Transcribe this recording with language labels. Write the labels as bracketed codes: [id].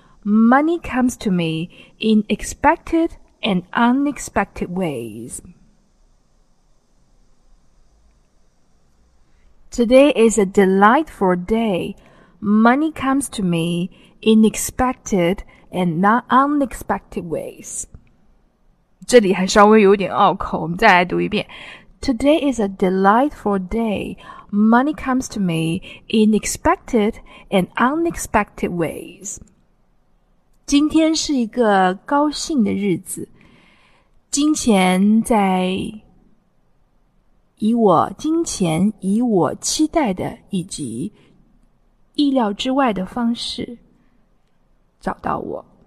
[en] Money comes to me in expected and unexpected ways. Today is a delightful day. Money comes to me in expected and not unexpected ways. [zh] 这里还稍微有点拗口，我们再来读一遍。 [en] Today is a delightful day. Money comes to me in expected and unexpected ways. [zh] 今天是一个高兴的日子，金钱以我期待的以及意料之外的方式找到我。